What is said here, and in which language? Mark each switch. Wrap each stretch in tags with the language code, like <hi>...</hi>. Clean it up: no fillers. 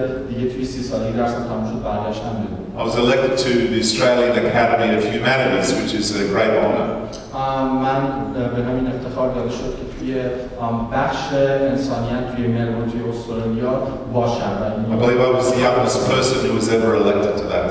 <en>I was elected to the Australian Academy of Humanities, which is a great honor.</en> <fa>من به همین افتخار داده شد که توی بخش انسانیت توی ملبورن توی استرالیا باشم.</fa> <en>I believe I was the youngest person who was ever elected to that</en>